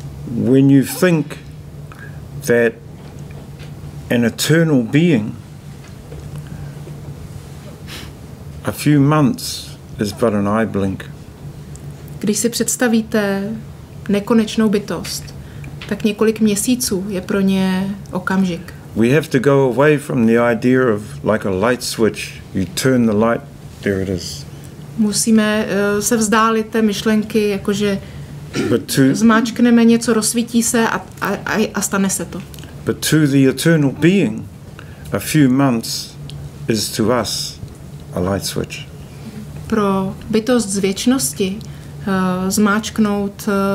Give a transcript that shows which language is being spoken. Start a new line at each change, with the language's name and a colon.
English: When you think that an eternal being, a few months is but an eye blink.
Czech: Když si představíte nekonečnou bytost, tak několik měsíců je pro ně okamžik.
English: We have to go away from the idea of like a light switch. You turn the light, there it is.
Czech: Musíme se vzdálit té myšlenky, jakože zmáčkneme něco, rozsvítí se a stane se to.
English: But to the eternal being, a few months is to us a light switch.
Czech: Pro bytost z věčnosti zmáčknout